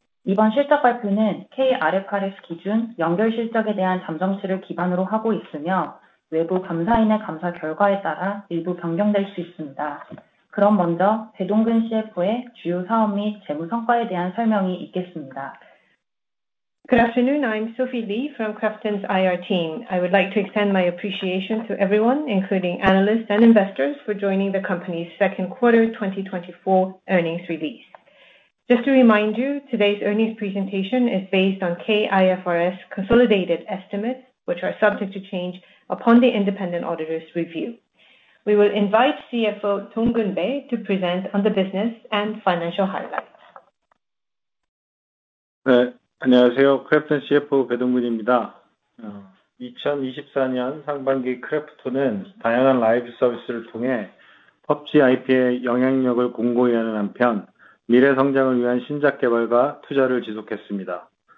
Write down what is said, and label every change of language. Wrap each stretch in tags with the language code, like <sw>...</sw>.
<ko>이번 실적 발표는 K-IFRS 기준 연결 실적에 대한 잠정치를 기반으로 하고 있으며 외부 감사인의 감사 결과에 따라 일부 변경될 수 있습니다. 그럼 먼저 배동근 CFO의 주요 사업 및 재무 성과에 대한 설명이 있겠습니다.</ko> <en>Good afternoon. I'm Sophie Lee from Krafton's IR team. I would like to extend my appreciation to everyone, including analysts and investors, for joining the company's second quarter 2024 earnings release. Just to remind you, today's earnings presentation is based on K-IFRS consolidated estimates, which are subject to change upon the independent auditor's review. We will invite CFO Dongkeun Bae to present on the business and financial highlights.</en> <ko>네. 안녕하세요. 크래프톤 CFO 배동근입니다. 2024년 상반기 크래프톤은 다양한 라이브 서비스를 통해 PUBG IP의 영향력을 공고히 하는 한편, 미래 성장을 위한 신작 개발과 투자를 지속했습니다.</ko>